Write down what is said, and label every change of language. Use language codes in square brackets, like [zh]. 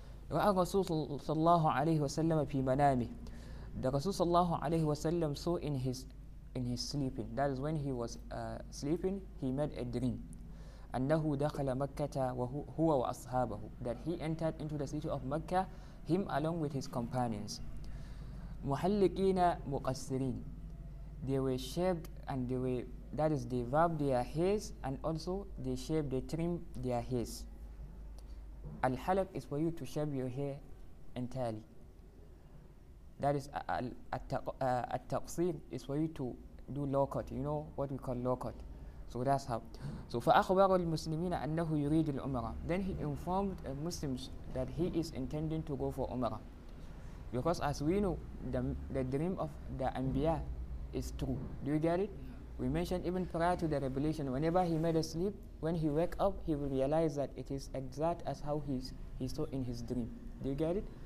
[ar] رأى الرسول صلى الله عليه وسلم في منامه. [en] The Rasul sallallahu alayhi wa sallam saw in his sleeping. That is when he was sleeping, he made a dream. [ar] أنه دخل مكة وهو وأصحابه. [en] That he entered into the city of Mecca, him along with his companions. [ar] محلقين مقصرين. [en] They were shaved and they were, that is, they wrapped their hairs and also they shaved, they trimmed their hairs. Al-halaq is for you to shave your hair entirely. That is, at-taqsir is for you to do low cut, you know what we call low cut. So that's how. [ar] So فأخبر المسلمين أنه يريد الأمرة. [en] Then he informed Muslims that he is intending to go for Umrah. Because as we know, the dream of the Anbiya is true. Do you get it? We mentioned even prior to the revelation, whenever he made a sleep, when he wake up, he will realize that it is exact as how he saw in his dream. Do you get it?